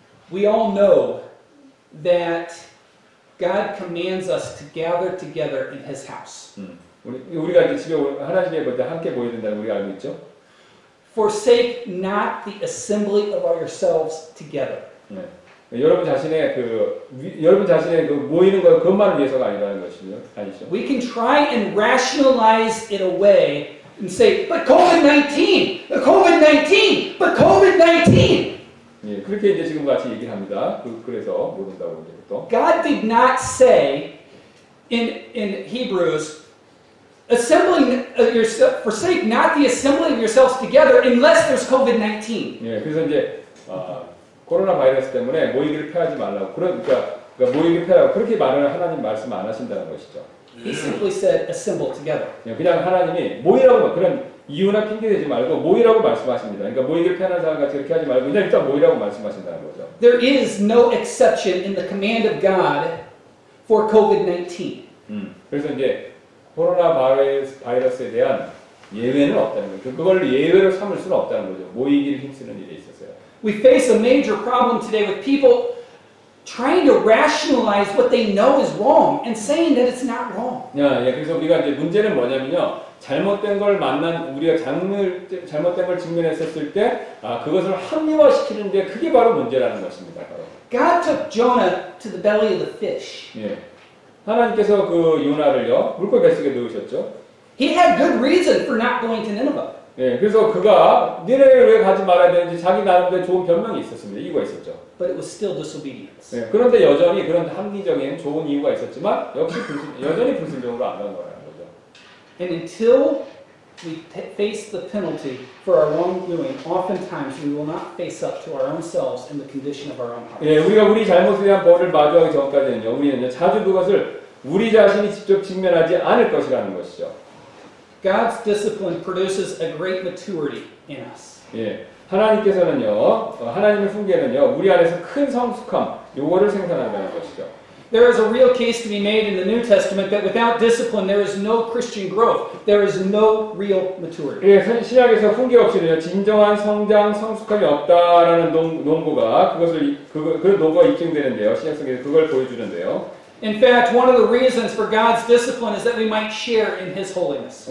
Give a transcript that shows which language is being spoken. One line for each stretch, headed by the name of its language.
English: We all know that God commands us to gather together in His house.
Korean: 우리가 이제 집에 하나님의 것들 함께 모여야 된다는 우리가 알고 있죠.
English: Forsake not the assembly of yourselves together.
Korean: 네. 여러분 자신의 그 모이는 것 그것만을 위해서가 아니라는 것이죠. 아니죠.
English: We can try and rationalize it away. And say, but COVID-19.
Korean: 예, 그렇게 이제 지금 같이 얘기를 합니다. 그래서 모른다고 이제 또.
English: God did not say in Hebrews, forsake not the assembling of yourselves together unless there's COVID-19.
Korean: 예, 그래서 이제 코로나 바이러스 때문에 모이기를 피하지 말라고 그러니까 모이기를 피하라고 그렇게 말을 하나님 말씀 안 하신다는 것이죠.
English: He simply said, "Assemble together."
Korean: 그냥 하나님이 모이라고 그런 이유나 핑계 대지 말고 모이라고 말씀하십니다. 그러니까 모이기 편한 사람 같이 그렇게 하지 말고 그냥 일단 모이라고 말씀하신다는 거죠.
English: There is no exception in the command of God for COVID-19.
Korean: 그래서 이제 코로나 바이러스에 대한 예외는 없다는 거죠. 그걸 예외로 삼을 수는 없다는 거죠. 모이기를 힘쓰는 일에 있어서요.
English: We face a major problem today with people. Trying to rationalize what they know is wrong and saying that it's not wrong.
Korean: 야, 예, 그래서 우리가 이제 문제는 뭐냐면요, 잘못된 걸 만난 우리가 잘못된 걸 직면했었을 때, 그것을 합리화시키는 게 그게 바로 문제라는 것입니다, 바로.
English: God took Jonah to the belly of the fish.
Korean: 예, 하나님께서 그 요나를요 물고기 뱃속에 넣으셨죠.
English: He had good reason for not going to Nineveh.
Korean: 예, 그래서 그가 니네를 왜 가지 말아야 되는지 자기 나름대로 좋은 변명이 있었습니다. 이유가 있었죠.
English: But it was still disobedience.
Korean: 예, 그런데 여전히 그런 합리적인 좋은 이유가 있었지만 역시 여전히 불순종으로 안 간 거라는 거죠.
English: And until we face the penalty for our wrongdoing, oftentimes we will not face up to our own selves and the condition of our own hearts.
Korean: 예, 우리가 우리 잘못에 대한 벌을 마주하기 전까지는요, 우리는요, 자주 그것을 우리 자신이 직접 직면하지 않을 것이라는 것이죠.
English: God's discipline produces a great maturity in us.
Korean: 예, 하나님께서는요, 하나님의 훈계는요, 우리 안에서 큰 성숙함, 요거를 생산한다는 것이죠.
English: There is a real case to be made in the New Testament that without discipline there is no Christian growth. There is no real maturity.
Korean: 예, 신약에서 훈계 없이는 진정한 성장, 성숙함이 없다라는 논거가 그것을 그 논거가 입증되는데요. 신약 성경에 그걸 보여주는데요.
English: In fact, one of the reasons for God's discipline is that we might share in His holiness.